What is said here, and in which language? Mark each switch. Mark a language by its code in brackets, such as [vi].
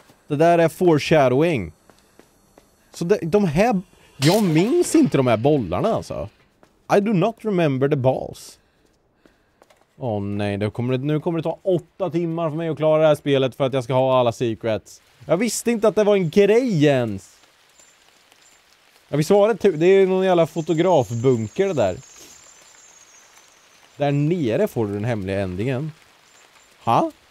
[sv] Det där är foreshadowing. Så det, de här, jag minns inte de här bollarna, alltså. [en] I do not remember the balls. [sv] Åh, nej, nu kommer det ta 8 timmar för mig att klara det här spelet för att jag ska ha alla secrets. Jag visste inte att det var en grej ens. Jag vill svara, det är någon jävla fotografbunker där. Där nere får du den hemliga ändingen. Ha?